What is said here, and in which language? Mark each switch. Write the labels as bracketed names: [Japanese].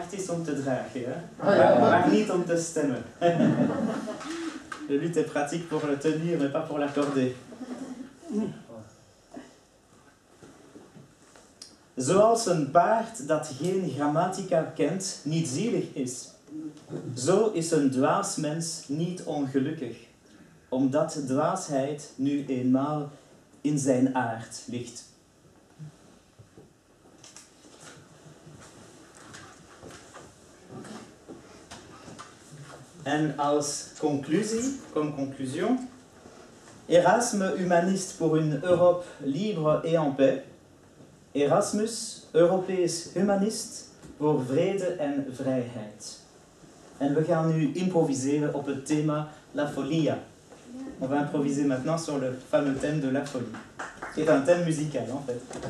[Dutch] Om te dragen, hè? Maar niet om te stemmen. [French] Le luth est pratique pour le tenir, mais pas pour l'accorder. [Dutch] Zoals een paard dat geen grammatica kent, niet zielig is. Zo is een dwaas mens niet ongelukkig, omdat dwaasheid nu eenmaal in zijn aard ligt. En als conclusie, [French] comme conclusion, Erasme humaniste pour une Europe libre et en paix, [Dutch] Erasmus Europees humaniste pour vrede en vrijheid. En we gaan nu improviseren op het thema La Folie. [French] On va improviser maintenant sur le fameux thème de La Folie, qui est un thème musical en fait.